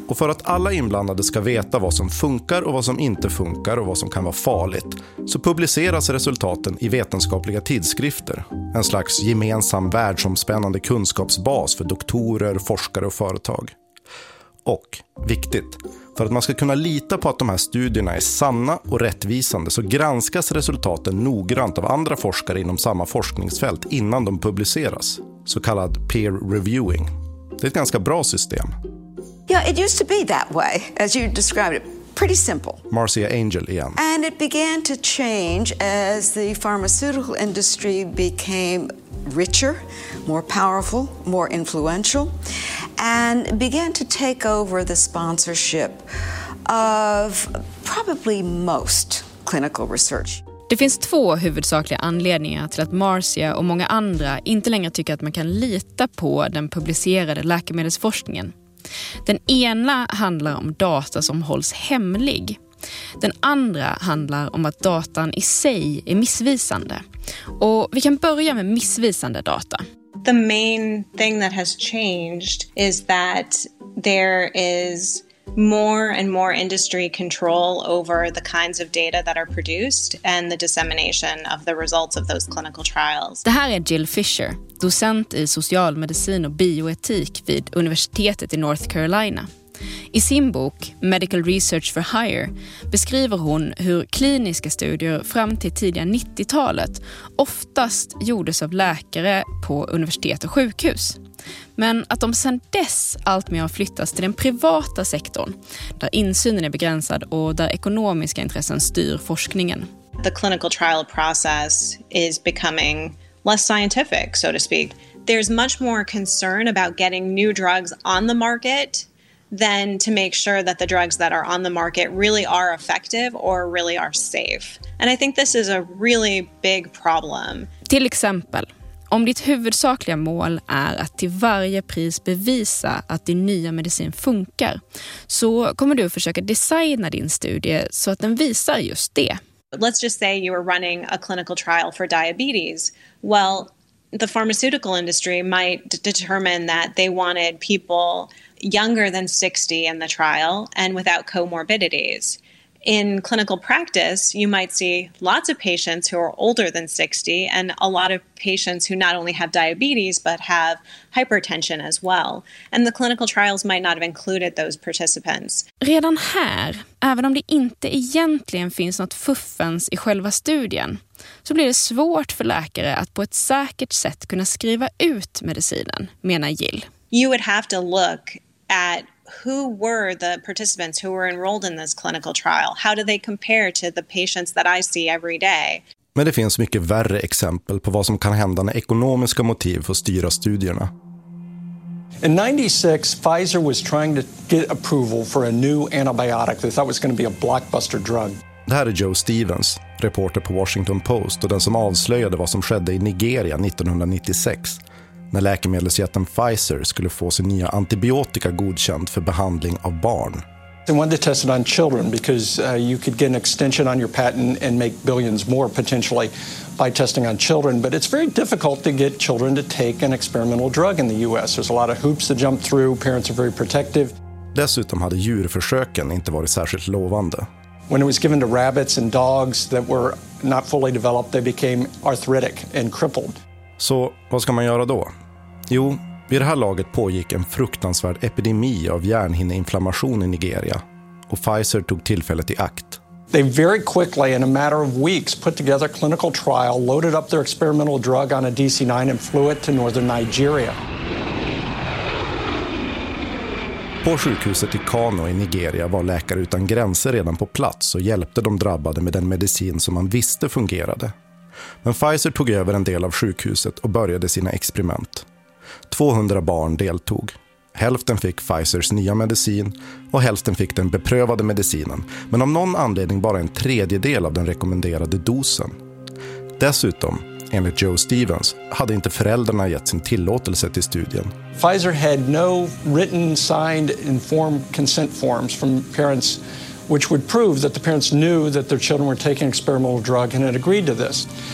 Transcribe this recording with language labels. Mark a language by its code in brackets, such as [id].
[sv] Och för att alla inblandade ska veta vad som funkar och vad som inte funkar och vad som kan vara farligt så publiceras resultaten i vetenskapliga tidskrifter. En slags gemensam världsomspännande kunskapsbas för doktorer, forskare och företag. Och, viktigt, för att man ska kunna lita på att de här studierna är sanna och rättvisande så granskas resultaten noggrant av andra forskare inom samma forskningsfält innan de publiceras. Så kallad peer reviewing. Det är ett ganska bra system. [en] Yeah, it used to be that way, as you described it, pretty simple. Marcia Angel again. And it began to change as the pharmaceutical industry became richer, more powerful, more influential, and began to take over the sponsorship of probably most clinical research. [sv] Det finns två huvudsakliga anledningar till att Marcia och många andra inte längre tycker att man kan lita på den publicerade läkemedelsforskningen. Den ena handlar om data som hålls hemlig. Den andra handlar om att datan i sig är missvisande. Och vi kan börja med missvisande data. [en] The main thing that has changed is that there is more and more industry control over the kinds of data that are produced and the dissemination of the results of those clinical trials. [sv] Det här är Jill Fisher, docent i socialmedicin och bioetik vid universitetet i North Carolina. I sin bok Medical Research for Hire beskriver hon hur kliniska studier fram till tidiga 90-talet oftast gjordes av läkare på universitet och sjukhus. Men att de sedan dess alltmer har flyttats till den privata sektorn där insynen är begränsad och där ekonomiska intressen styr forskningen. [en] The clinical trial process is becoming less scientific, so to speak. There's much more concern about getting new drugs on the market than to make sure that the drugs that are on the market really are effective or really are safe. And I think this is a really big problem. [sv] Till exempel, om ditt huvudsakliga mål är att till varje pris bevisa att din nya medicin funkar, så kommer du försöka designa din studie så att den visar just det. [en] Let's just say you are running a clinical trial for diabetes. Well, the pharmaceutical industry might determine that they wanted people younger than 60 in the trial and without comorbidities. In clinical practice, you might see lots of patients who are older than 60 and a lot of patients who not only have diabetes but have hypertension as well. And the clinical trials might not have included those participants. [sv] Redan här, även om det inte egentligen finns något fuffens i själva studien, så blir det svårt för läkare att på ett säkert sätt kunna skriva ut medicinen, menar Jill. [en] You would have to look at who were the participants who were enrolled in this clinical trial? How do they compare to the patients that I see every day? [sv] Men det finns mycket värre exempel på vad som kan hända när ekonomiska motiv får styra studierna. [en] In 96, Pfizer was trying to get approval for a new antibiotic they thought was going to be a blockbuster drug. [sv] Det här är Joe Stevens, reporter på Washington Post och den som avslöjade vad som skedde i Nigeria 1996. När läkemedelsjätten Pfizer skulle få sin nya antibiotika godkänt för behandling av barn. [en] They wanted to test it on children because you could get an extension on your patent and make billions more potentially by testing on children, but it's very difficult to get children to take an experimental drug in the US. There's a lot of hoops to jump through, parents are very protective. [sv] Dessutom hade djurförsöken inte varit särskilt lovande. [en] When it was given to rabbits and dogs that were not fully developed, they became arthritic and crippled. [sv] Så vad ska man göra då? Jo, vid det här laget pågick en fruktansvärd epidemi av hjärnhinneinflammation i Nigeria och Pfizer tog tillfället i akt. [en] They very quickly in a matter of weeks put together a clinical trial, loaded up their experimental drug on a DC-9 and flew it to northern Nigeria. [sv] På sjukhuset i Kano i Nigeria var Läkare utan gränser redan på plats och hjälpte de drabbade med den medicin som man visste fungerade. Men Pfizer tog över en del av sjukhuset och började sina experiment. 200 barn deltog. Hälften fick Pfizers nya medicin och hälften fick den beprövade medicinen. Men av någon anledning bara en tredjedel av den rekommenderade dosen. Dessutom, enligt Joe Stevens, hade inte föräldrarna gett sin tillåtelse till studien. [en] Pfizer had no written, signed, informed consent forms from parents, which would prove that the parents knew that their children were taking experimental drug and had agreed to this.